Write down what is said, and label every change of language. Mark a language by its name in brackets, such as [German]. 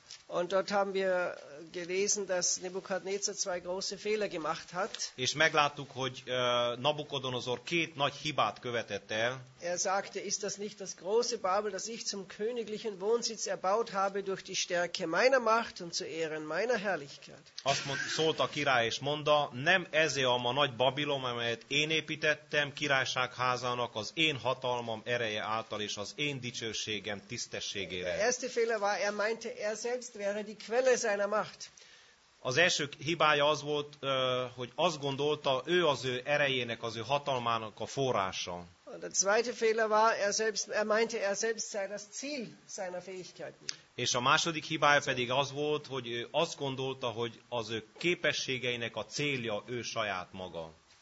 [German] Und dort haben wir gelesen, dass Nebukadnezar zwei große Fehler gemacht hat. [Hungarian] És megláttuk, hogy Nabukodonozor két nagy hibát követett el. [German] Er sagte, ist das nicht das große Babel, das ich zum königlichen Wohnsitz erbaut habe durch die Stärke meiner Macht und zu Ehren meiner Herrlichkeit? [Hungarian] Szólt a király és mondta, nem ez a nagy Babilon, amelyet én építettem királyságházának az én hatalmam ereje által és az én dicsőségem tisztességére. [German] Der erste Fehler war, er meinte, er selbst wäre die Quelle seiner Macht. [Hungarian] Az első hibája az volt, hogy azt gondolta, ő az ő erejének, az ő hatalmának a forrása. [German] Und der zweite Fehler war, er meinte, er selbst sei das Ziel seiner Fähigkeiten. [Hungarian] És a második hibája pedig az volt, hogy ő azt gondolta, hogy az ő képességeinek a célja ő saját maga.